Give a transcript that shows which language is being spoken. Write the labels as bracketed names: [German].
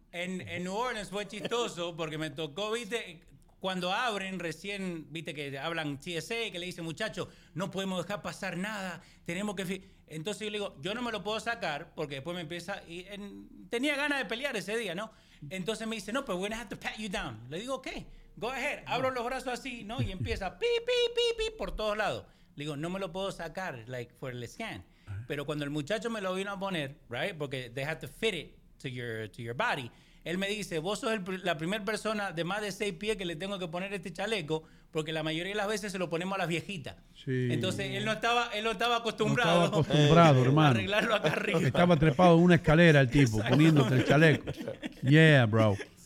[Spanish] En New Orleans fue chistoso porque me tocó, viste, cuando abren recién, viste que hablan TSA, que le dicen, muchachos, no podemos dejar pasar nada, tenemos que... Entonces yo le digo, yo no me lo puedo sacar porque después me empieza... Y tenía ganas de pelear ese día, ¿no? Entonces me dice, no, pero [English] we're going to have to pat you down. [Spanish] Le digo, ¿qué? [English] Go ahead. [Spanish] Abro los brazos así, ¿no? Y empieza pi, pi, pi, pi por todos lados. Le digo, no me lo puedo sacar, [English] like, for the scan. [Spanish] Pero cuando el muchacho me lo vino a poner, [English] right? [Spanish] Porque [English] they have to fit it to your body. [Spanish] Él me dice, vos sos la primera persona de más de 6 pies que le tengo que poner este chaleco, porque la mayoría de las veces se lo ponemos a las viejitas. Sí. Entonces, él no estaba acostumbrado. No estaba acostumbrado, hermano. Arreglarlo acá arriba. Estaba trepado en una escalera el tipo, exacto, poniéndote el chaleco. [English] Yeah, bro.